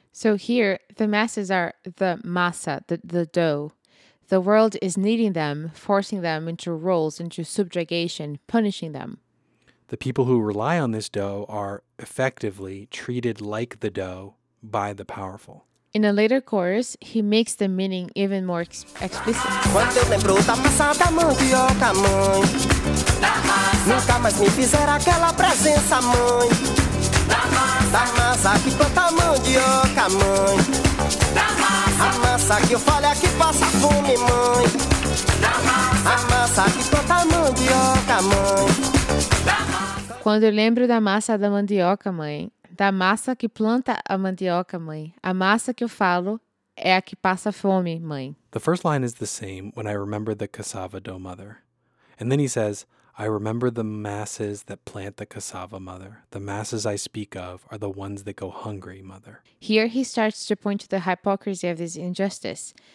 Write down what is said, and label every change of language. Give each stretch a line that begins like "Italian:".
English: So here, the masses are the massa, the dough. The world is kneading them, forcing them into roles, into subjugation, punishing them. The people who rely on this dough are effectively treated like the dough by the powerful. In a later chorus, he makes the meaning even more explicit.
Portuguese: Quando eu lembro da massa da mandioca, mãe. Nunca mais me fizer aquela presença, mãe. Da massa que planta a mandioca, mãe. A massa que eu falo é que passa fome, mãe. A massa que planta a mandioca, mãe. Quando eu lembro da massa da mandioca, mãe. Da massa que planta a mandioca, mãe. A massa que eu falo é a que passa fome, mãe.
English: The first line is the same when I remember the cassava dough mother. And then he says, I remember the masses that plant the cassava mother. The masses I speak of are the ones that go hungry, mother. Here he starts to point to the hypocrisy of this injustice.